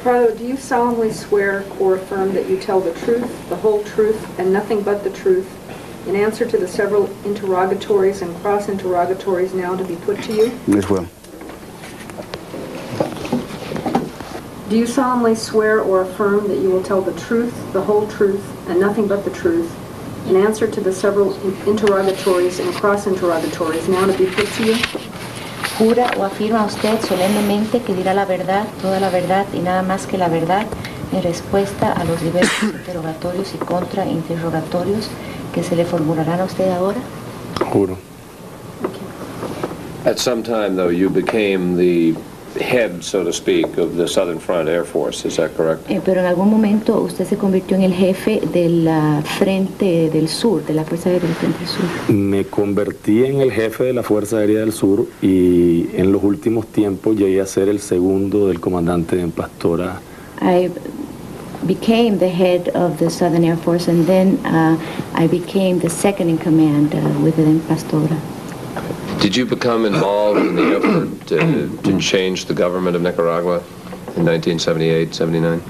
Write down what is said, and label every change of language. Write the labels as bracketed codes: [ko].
[en] Prado, do you solemnly swear or affirm that you tell the truth, the whole truth, and nothing but the truth in answer to the several interrogatories and cross-interrogatories now to be put to you? Yes, well. Do you solemnly swear or affirm that you will tell the truth, the whole truth, and nothing but the truth in answer to the several interrogatories and cross-interrogatories now to be put to you? [es] Jura o afirma usted solemnemente que dirá la verdad, toda la verdad y nada más que la verdad en respuesta a los diversos interrogatorios y contrainterrogatorios que se le formularán a usted ahora? Juro. [en] Okay. At some time, though, you became the head, so to speak, of the Southern Front Air Force, is that correct? [es] Pero en algún momento usted se convirtió en el jefe de la Frente del Sur, de la Fuerza Aérea del Frente del Sur. Me convertí en el jefe de la Fuerza Aérea del Sur y en los últimos tiempos llegué a ser el segundo del comandante en Pastora. [en] I became the head of the Southern Air Force and then I became the second in command with the Pastora. Did you become involved in the effort to change the government of Nicaragua in 1978-79?